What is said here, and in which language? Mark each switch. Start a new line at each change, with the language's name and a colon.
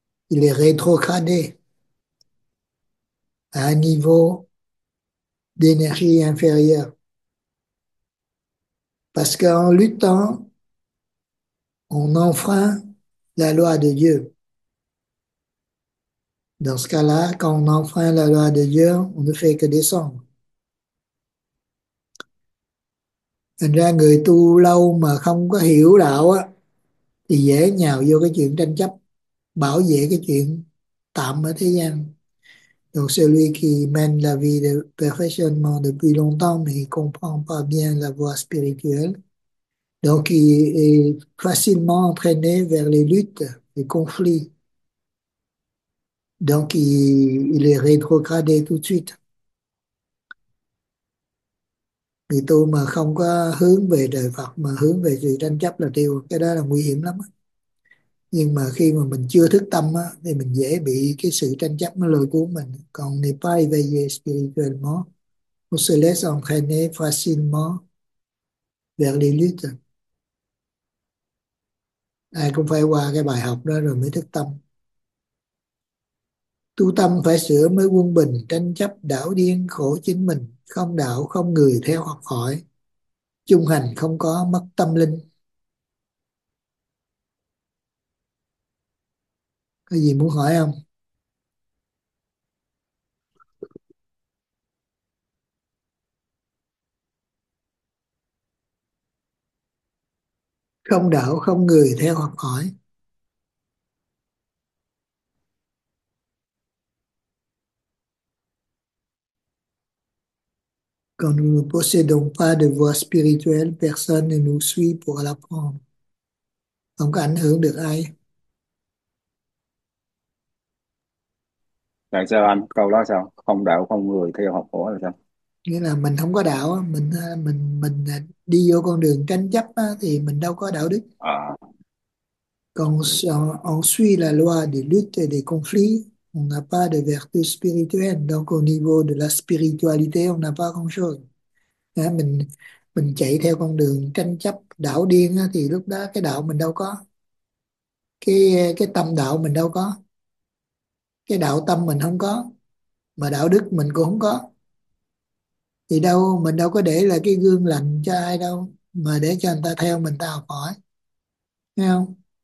French: Il est rétrogradé à un niveau d'énergie inférieur. Parce qu'en luttant, on enfreint la loi de Dieu. Dans ce cas-là, quand on enfreint la loi de Dieu, on ne fait que descendre.
Vietnamese: Thành ra người tu lâu mà không có hiểu đạo á, thì dễ nhào vô cái chuyện tranh chấp, bảo vệ cái chuyện tạm ở thế gian.
French: Donc celui qui mène la vie de perfectionnement depuis longtemps mais il comprend pas bien la voie spirituelle, donc il est facilement entraîné vers les luttes, les conflits. Donc, il est rétrogradé tout de suite.
Vietnamese: Vì tôi mà không có hướng về đời Phật, mà hướng về sự tranh chấp là tiêu, cái đó là nguy hiểm lắm. Nhưng mà khi mà mình chưa thức tâm, á, thì mình dễ bị cái sự tranh chấp nó lôi cuốn mình. Còn
French: n'est pas éveillé spirituellement, on se laisse entraîner facilement vers les luttes.
Vietnamese: Ai cũng phải qua cái bài học đó rồi mới thức tâm. Tu tâm phải sửa mới quân bình, tranh chấp đảo điên khổ chính mình, không đạo không người theo học hỏi, chung hành không có mất tâm linh. Có gì muốn hỏi không? Không đạo không người theo học hỏi.
French: Quand nous ne possédons pas de voie spirituelle, personne ne nous suit pour l'apprendre.
Vietnamese: Không có ảnh hưởng được ai. Tại sao anh? Câu đó sao? Không đạo không người theo học phổ là sao? Nghĩa là mình không có đạo, mình đi vô con đường tranh chấp thì mình đâu có đạo đức. Còn
French: on suit la loi de lutte et de conflit, on n'a pas de vertu spirituelle, donc au niveau de la spiritualité, on n'a pas grand chose.
Vietnamese: Mình chạy theo con đường tranh chấp đảo điên thì lúc đó cái đạo mình đâu có, cái tâm đạo mình đâu có, cái đạo tâm mình không có, mà đạo đức mình cũng không có, thì đâu mình đâu có để là cái gương lành cho ai đâu, mà để cho người ta theo mình ta học hỏi, thấy không?